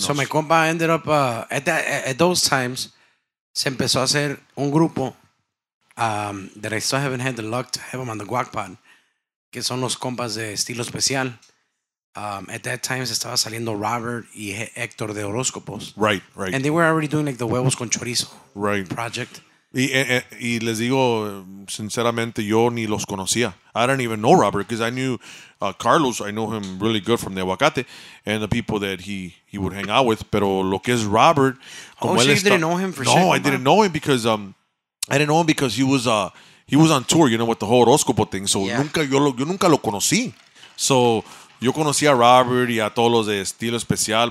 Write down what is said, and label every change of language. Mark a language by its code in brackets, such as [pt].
[en] So my compa ended up, at those times, [es] se empezó a hacer un grupo [en] that I still haven't had the luck to have them on the guac pod, [es] que son los compas de Estilo Especial. [en] At that time, [es] se estaba saliendo Robert y Héctor de Horóscopos. [en] Right, right. And they were already doing, like, the Huevos con Chorizo right. project. [es] Y les digo, sinceramente, yo ni los conocía. [en] I didn't even know Robert because I knew Carlos. I know him really good from the Aguacate and the people that he would hang out with. [es] Pero lo que es Robert... Como él, [en] so you didn't know him for sure? No, I didn't know him because he was he was on tour, you know, with the whole Horóscopo thing. So, yeah. [es] nunca lo conocí. [en] So, [es] yo conocí a Robert y a todos los de Estilo Especial.